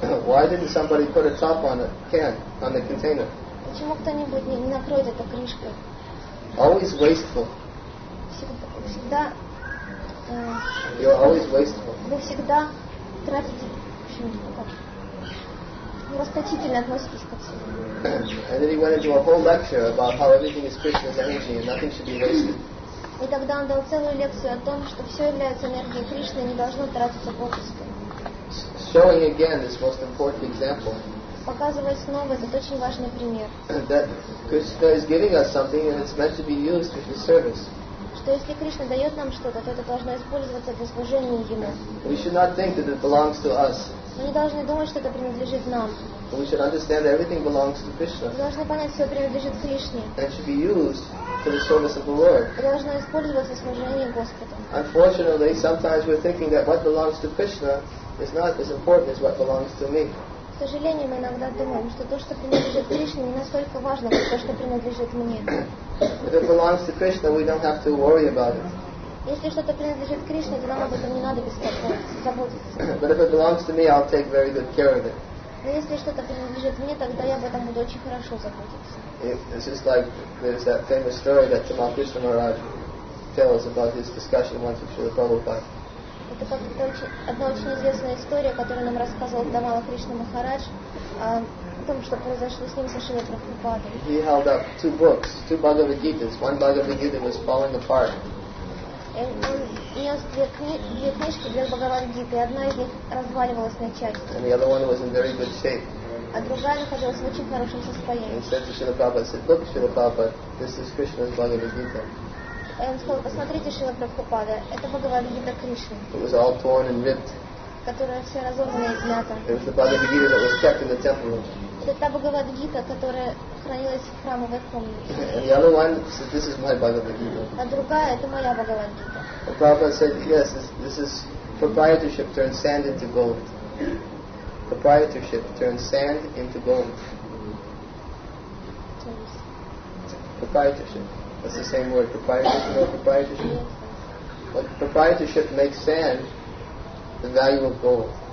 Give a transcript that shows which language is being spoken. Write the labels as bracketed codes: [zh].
[en] Why didn't somebody put a top on a can on the container? [ru] Почему кто-нибудь не накроет это крышкой? [en] Always wasteful. [ru] Всегда. [en] You're always wasteful. [ru] Вы всегда тратите, в общем, как? расточительно относитесь ко всему. [en] And then he went into a whole lecture about how everything is Krishna's energy and nothing should be wasted. [ru] И тогда он дал целую лекцию о том, что все является энергией Кришны и не должно тратиться попусту. [en] Showing again this most important example. [ru] Показывая снова этот очень важный пример. [en] That Krishna is giving us something and it's meant to be used for his service. [ru] Что если Кришна дает нам что-то, то это должно использоваться для служения ему. [en] We should not think that it belongs to us. [ru] Мы не должны думать, что это принадлежит нам. [en] We should understand that everything belongs to Krishna. [ru] Мы должны понять, что все принадлежит Кришне. [en] And should be used for the service of the Lord. [ru] И должно использоваться в служении Господу. [en] Unfortunately, sometimes we're thinking that what belongs to Krishna is not as important as what belongs to me. [ru] К сожалению, мы иногда думаем, что то, что принадлежит Кришне, не настолько важно, как то, что принадлежит мне. [en] If it belongs to Krishna, we don't have to worry about it. [ru] Если что-то принадлежит Кришне, то нам об этом не надо беспокоиться, заботиться. [en] But if it belongs to me, I'll take very good care of it. [ru] Но если что-то принадлежит мне, тогда я об этом буду очень хорошо заботиться. [en] It's just like there's that famous story that Tamal Krishna Maharaj tells about his discussion once with Srila Prabhupada. [ru] Это как-то одна очень известная история, которую нам рассказывал Тамала Кришна Махарадж о том, что произошло с ним со Шрилой Прабхупадой. [en] He held up two books, two Bhagavad Gitas. One Bhagavad Gita was falling apart. [ru] Он нес две книжки, две Бхагавад Гиты, и одна из них разваливалась на части. [en] And the other one was in very good shape. [ru] А другая находилась в очень хорошем состоянии. [en] He said to Srila Prabhupada, said, look, Srila Prabhupada, this is Krishna's Bhagavad Gita. [ru] И он сказал, посмотрите, Шрила Прабхупада, это Бхагавад Гита Кришны. [en] It was all torn and ripped. [ru] Которая все разорвана и измята. [en] It was the Bhagavad Gita that was kept in the temple. [ru] Это та Бхагавад Гита, которая хранилась в храмовой комнате. [en] And the other one said, this is my Bhagavad Gita. [ru] А другая, это моя Бхагавад Гита. [en] The Prabhupada said, yes, this is proprietorship turned sand into gold. Proprietorship turned sand into gold. Proprietorship. That's the same word, proprietorship or proprietorship. But proprietorship makes sand the value of gold.